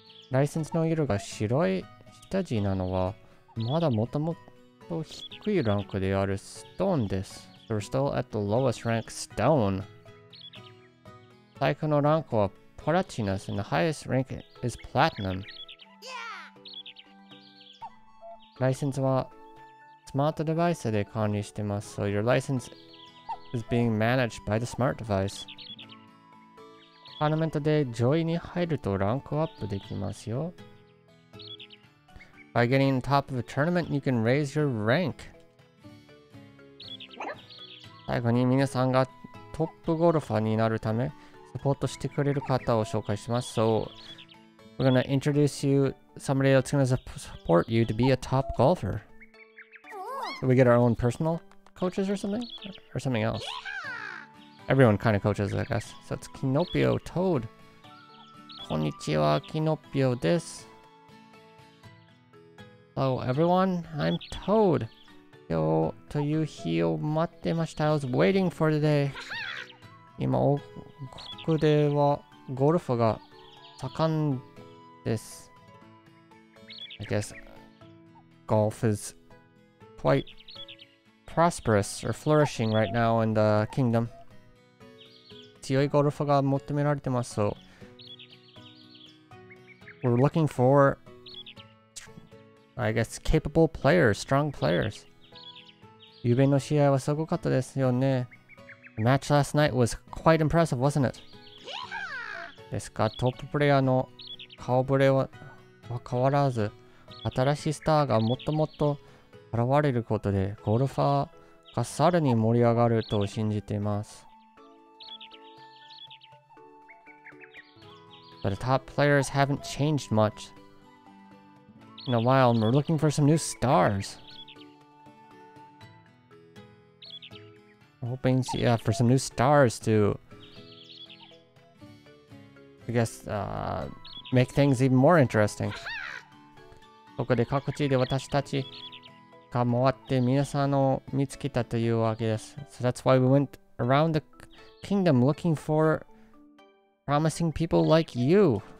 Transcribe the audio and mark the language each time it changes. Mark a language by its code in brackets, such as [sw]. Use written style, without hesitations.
[ja] ライセンスの色が白い下地なのは、まだもともと低いランクであるストーンです。 [en] They're still at the lowest rank stone. [ja] 最高のランクはプラチナス、 [en] and the highest rank is platinum. [ja] ライセンスはスマートデバイスで管理してます。 [en] So your license is being managed by the smart device. [ja] トーナメントで上位に入るとランクアップできますよ。 [en] By getting top of a tournament, you can raise your rank. [ja] 最後に皆さんがトップゴルファーになるためサポートしてくれる方を紹介します。 [en] So, we're gonna introduce you somebody that's gonna support you to be a top golfer. Do we get our own personal coaches or something? Or something else? Everyone kind of coaches, I guess. So it's Kinopio Toad. [ja] Konnichiwa, Kinopio desu. [en] Hello everyone, I'm Toad. [ja] Kyo という日を待ってました. [en] I was waiting for the day. [ja] 今王国ではゴルフが盛んです. [en] I guess golf is quite prosperous or flourishing right now in the kingdom. [ja] 強いゴルファーが求められてます。 [en] So, we're looking for, I guess, capable players, strong players. [ja] 昨日の試合はすごかったですよね。 [en] The match last night was quite impressive, wasn't it? [ja] ですが、トッププレイヤーの顔ぶれは変わらず、新しいスターがもっともっと現れることで、ゴルファーがさらに盛り上がると信じています。 [en] But the top players haven't changed much in a while, and we're looking for some new stars. Hoping to, yeah, for some new stars to, I guess, make things even more interesting. [ja] ここで各地で私たちが回って皆さんを見つけたというわけです。 [en] So that's why we went around the kingdom looking forPromising people like you.